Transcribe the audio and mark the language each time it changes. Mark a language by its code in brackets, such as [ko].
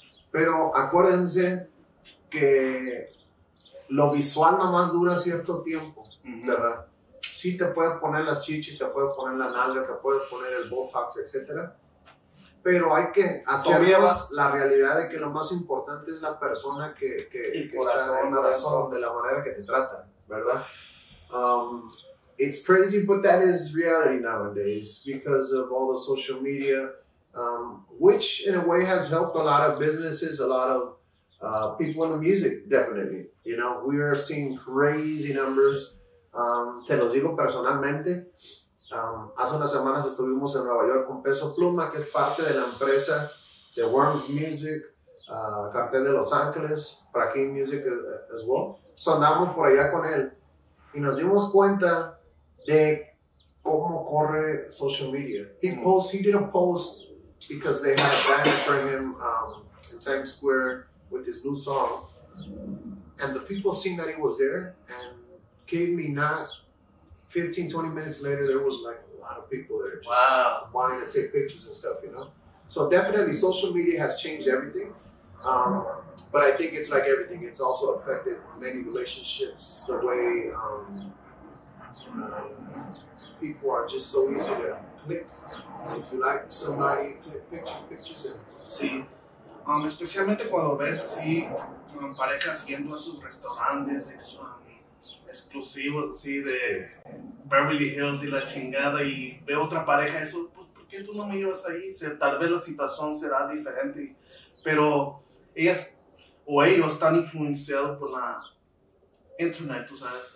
[es] Pero acuérdense que lo visual nada más dura cierto tiempo, mm-hmm. ¿verdad? Sí te puedes poner las chichis, te puedes poner las nalgas, te puedes poner el Botox, etc. Pero hay que hacer la realidad de que lo más importante es la persona que el corazón, está en la razón de la manera que te trata, ¿verdad? [en] It's crazy, but that is reality nowadays because of all the social media, which in a way has helped a lot of businesses, a lot of people in the music, definitely. You know, we are seeing crazy numbers. [es] Te los digo personalmente. Hace unas semanas estuvimos en Nueva York con Peso Pluma, que es parte de la empresa de Worms Music, Cartel de Los Ángeles, Prakim Music [en] as well. [es] So andamos por allá con él y nos dimos cuenta de cómo corre social media. [en] He didn't post because they had banners for him in Times Square with his new song. And the people seen that he was there and gave me not 15, 20 minutes later, there was like a lot of people there just wanting to take pictures and stuff, you know? So definitely social media has changed everything. But I think it's like everything. It's also affected many relationships, the way people are just so easy to click. If you like somebody, click pictures and... [es] Sí. Especialmente cuando ves así parejas yendo a sus restaurantes exclusivos así de Beverly Hills y la chingada y ve otra pareja, eso, pues, ¿por qué tú no me llevas ahí? O sea, tal vez la situación será diferente, pero ellas o ellos están influenciados por la internet, tú sabes.